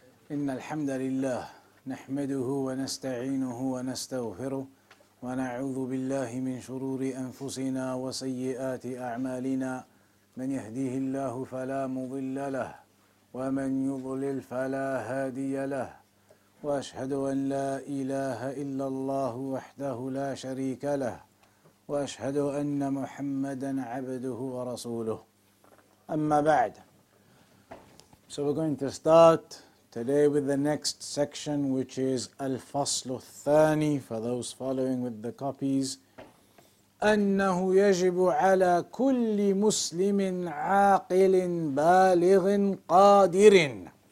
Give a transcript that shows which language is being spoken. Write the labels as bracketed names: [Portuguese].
[Arabic] إن الحمد لله نحمده ونستعينه ونستغفره ونعوذ بالله من شرور أنفسنا وسيئات أعمالنا من يهديه الله فلا مضل له ومن يضلل فلا هادي له وأشهد أن لا إله إلا الله وحده لا شريك له وأشهد أن محمدًا عبده ورسوله أما بعد. [English] So we're going to start today with the next section, which is Al-Faslu Thani, for those following with the copies. [Arabic] أنه يجب على كل مسلم عاقل بالغ قادر.